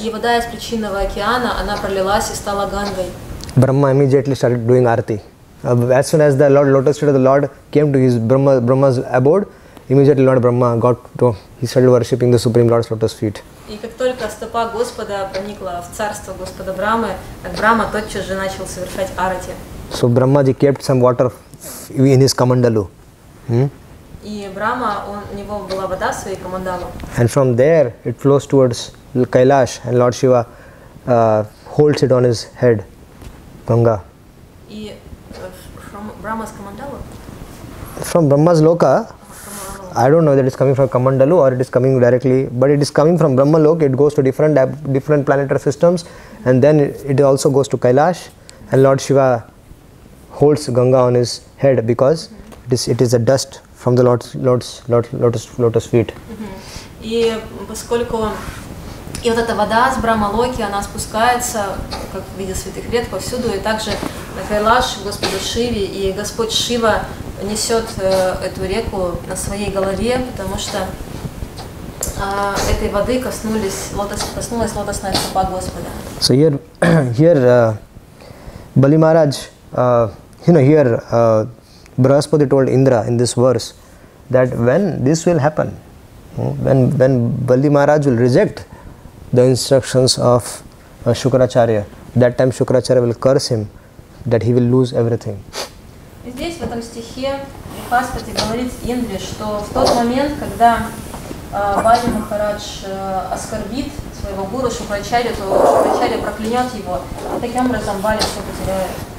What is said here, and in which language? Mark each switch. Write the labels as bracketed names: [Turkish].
[Russian] И вода из причинного океана она пролилась и стала Гангой. [English] Brahma immediately started doing arati. As soon as the Lord Lotus Feet of the Lord came to his Brahma's abode, immediately Lord Brahma started worshipping the Supreme Lord's Lotus Feet. [Russian] И как только стопа Господа проникла в царство Господа Брамы, Брахма тотчас же начал совершать арати. [English] So Brahmaji kept some water in his Kamandalu. [Russian] И Брахма, у него была вода в своей Kamandalu. [English] And from there it flows towards Kailash and Lord Shiva holds it on his head. Ganga. И from Brahma's Kamandalu? From Brahma's Loka. I don't know that it's coming from Kamandalu or it is coming directly, but it is coming from Brahma Loka. It goes to different planetary systems and then it also goes to Kailash and Lord Shiva holds Ganga on his head because it is the dust from the Lord's lotus feet. [Russian] И поскольку И вот эта вода с Брамалоки, она спускается, как в виде святых рек, повсюду, и также на Кайлаш, Господу Шиве, и Господь Шива несет эту реку на своей голове, потому что этой воды коснулась лотосная стопа Господа. [English] So here Bali Maharaj, Brahaspati told Indra in this verse that when this will happen, when Bali Maharaj will reject the instructions of Shukracharya, that time Shukracharya will curse him, that he will lose everything. [Russian] Здесь в этом стихе Брахаспати говорит Индре, что в тот момент, когда Бали Махарадж оскорбит своего гуру Шукрачарья, то Шукрачарья проклянет его, и таким образом Бали все потеряет.